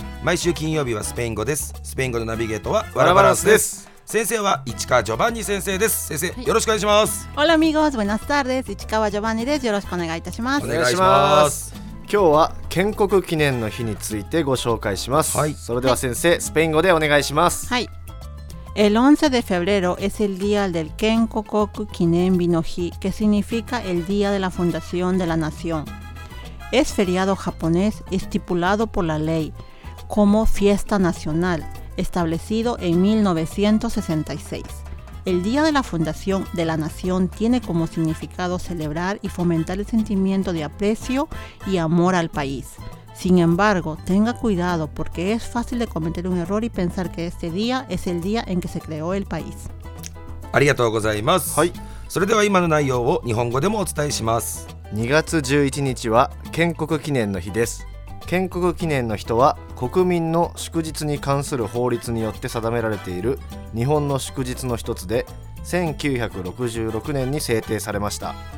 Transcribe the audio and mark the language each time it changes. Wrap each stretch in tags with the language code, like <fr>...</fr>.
<ja>毎週金曜日はスペイン語です。スペイン語のナビゲートはワラバランスです。先生は市川ジョバンニ先生です。先生、はい、よろしくお願いします。</ja> <es>オラミゴーズ、ブナスタール</es> <ja>です。市川ジョバンニです。よろしくお願いいたします。お願いします。今日は建国記念の日についてご紹介します、はい、それでは先生、はい、スペイン語でお願いします。</ja> <es>はい、El 11 de febrero es el día del Kenkokoku Kinenbi no Hi, que significa el día de la fundación de la nación. Es feriado japonés estipulado por la ley como fiesta nacional, establecido en 1966. El día de la fundación de la nación tiene como significado celebrar y fomentar el sentimiento de aprecio y amor al país. Sin embargo, tenga cuidado porque es fácil de cometer un error y pensar que este día es el día en que se creó el país.</es> <ja>ありがとうございます。はい。それでは今の内容を日本語でもお伝えします。 2月11日は建国記念の日です。建国記念の日は国民の祝日に関する法律によって定められている日本の祝日の一つで、1966年に制定されました。</ja>